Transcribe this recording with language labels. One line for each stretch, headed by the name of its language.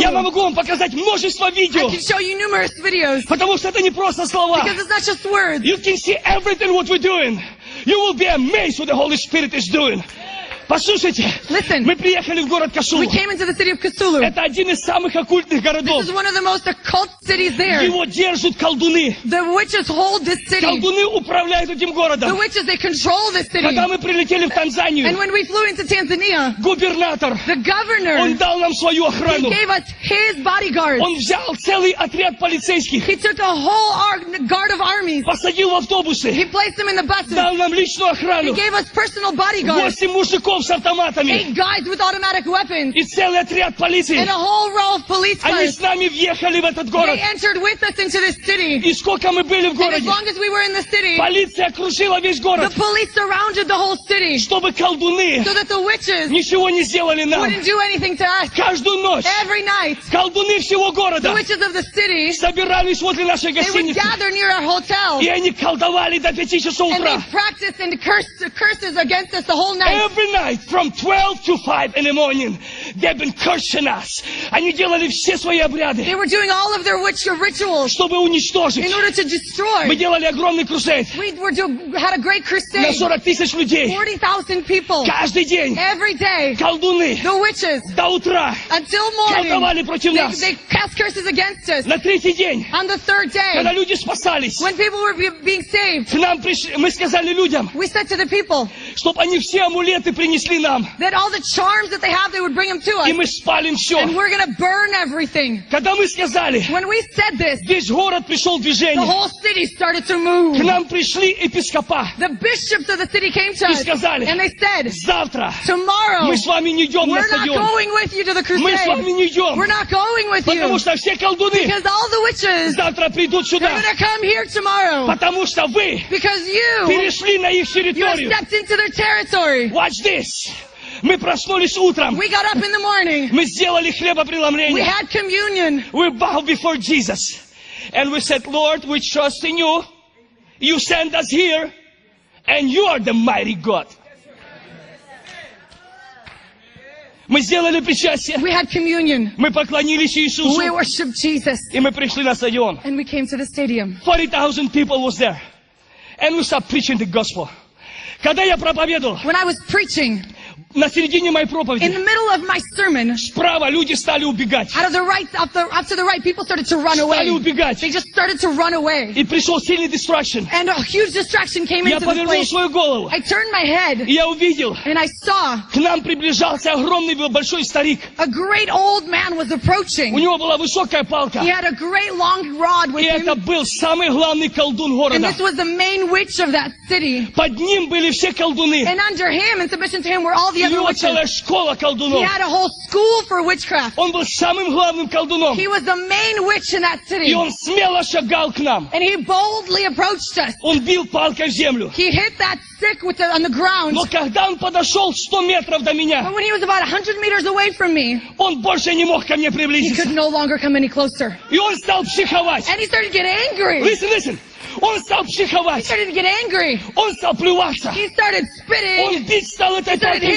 Russian: Я могу вам показать множество видео.
English: I can show you numerous videos.
Russian: Потому что это не просто слова.
English: Because it's not just words. You can see everything what we're doing. You will be amazed what the Holy Spirit is doing.
Russian: Послушайте,
English: Listen,
Russian: мы приехали в город Касулу.
English: We came into the city of Kasulu.
Russian: Это один из самых оккультных городов.
English: This is one of the most occult cities there.
Russian: Его держат колдуны.
English: The witches hold this city.
Russian: Колдуны управляют этим городом.
English: The witches, they control this city.
Russian: Когда мы прилетели в Танзанию,
English: And when we flew into Tanzania,
Russian: губернатор,
English: the governor,
Russian: он дал нам свою охрану.
English: He gave us his bodyguards.
Russian: Он взял целый отряд полицейских.
English: He took a whole guard of armies.
Russian: Посадил в автобусы.
English: He placed them in the buses.
Russian: Дал нам личную охрану.
English: He gave us personal bodyguards.
Russian: 8 мужиков. С автоматами.
English: Eight guys with automatic weapons.
Russian: И целый отряд полиции.
English: And a whole row of police cars.
Russian: Они с нами въехали в этот город.
English: They entered with us into this city.
Russian: И сколько мы были в городе.
English: And as long as we were in the city.
Russian: Полиция окружила весь город.
English: The police surrounded the whole city.
Russian: Чтобы колдуны.
English: So that the witches.
Russian: Ничего не сделали нам.
English: Wouldn't do anything to us.
Russian: Каждую ночь.
English: Every night.
Russian: Колдуны всего города.
English: The witches of the city.
Russian: Собирались возле нашей гостиницы.
English: They would gather near our hotel.
Russian: И они колдовали до 5 часов утра.
English: And they practiced and curses against us the whole night. Every night. From 12 to 5 in the morning, they've been cursing us.
Russian: Они делали все свои обряды.
English: They were doing all of their witchcraft rituals.
Russian: Чтобы уничтожить.
English: In order to destroy.
Russian: Мы делали огромный крусейд.
English: We had a great crusade.
Russian: На 40 тысяч людей.
English: 40,000 people.
Russian: Каждый день.
English: Every day.
Russian: Колдуны.
English: The witches.
Russian: До утра.
English: Until morning.
Russian: Колдовали против нас.
English: They cast curses against us.
Russian: На третий день.
English: On the third day.
Russian: Когда люди спасались.
English: When people were being saved.
Russian: Мы сказали людям.
English: We said to the people.
Russian: Чтобы они все амулеты принесли нам.
English: That all the charms that they have, they would bring them to us.
Russian: И мы спалим все.
English: And we're going to burn everything.
Russian: Когда мы сказали,
English: When we said this,
Russian: весь город пришел в движение.
English: The whole city started to move.
Russian: К нам пришли епископа.
English: The bishops of the city came to us.
Russian: И сказали,
English: And they said,
Russian: завтра,
English: tomorrow,
Russian: мы с вами не идем
English: we're
Russian: на стадион.
English: Not going with you to the crusade.
Russian: Мы с вами не идем.
English: We're not going with
Russian: потому
English: you.
Russian: Что все колдуны
English: Because all the witches,
Russian: завтра придут сюда.
English: They're going to come here tomorrow.
Russian: Потому что вы
English: Because you,
Russian: перешли на их территорию.
English: You stepped into their territory. Watch this.
Russian: Мы проснулись утром.
English: We got up in the morning.
Russian: Мы сделали хлебопреломление.
English: We had communion. We bowed before Jesus. And we said, Lord, we trust in you. You sent us here. And you are the mighty God.
Russian: Мы сделали причастие.
English: We had communion.
Russian: Мы поклонились Иисусу.
English: We worshiped Jesus.
Russian: И мы пришли на стадион.
English: And we came to the stadium. 40,000 people was there. And we started preaching the gospel.
Russian: Когда я проповедовал,
English: When I was preaching,
Russian: На середине моей проповеди.
English: In the middle of my sermon.
Russian: Справа люди стали убегать.
English: Out of the right, up to the right, people started to run away.
Russian: Стали убегать.
English: They just started to run away.
Russian: И пришел сильный distraction.
English: And a huge distraction came into the place.
Russian: Я повернул свою голову.
English: I turned my head.
Russian: И я увидел.
English: And I saw.
Russian: К нам приближался огромный большой старик.
English: A great old man was approaching.
Russian: У него была высокая палка.
English: He had a great long rod with him.
Russian: И это был самый главный колдун города.
English: And this was the main witch of that city.
Russian: Под ним были все колдуны.
English: And under him, in submission to him, were all the
Russian: У него целая школа колдунов.
English: He had a whole school for witchcraft.
Russian: Он был самым главным колдуном.
English: He was the main witch in that city.
Russian: И он смело шагал к нам.
English: And he boldly approached us.
Russian: Он бил палкой в землю.
English: He hit that stick with it on the ground.
Russian: Но когда он подошел 100 метров до меня,
English: but when he was about 100 meters away from me,
Russian: он больше не мог ко мне приблизиться.
English: He could no longer come any closer.
Russian: И он стал психовать.
English: And he started to get angry. Listen.
Russian: Он стал психовать.
English: He started to get angry.
Russian: Он стал плюваться.
English: He started spitting.
Russian: Он бить стал этой палкой в землю.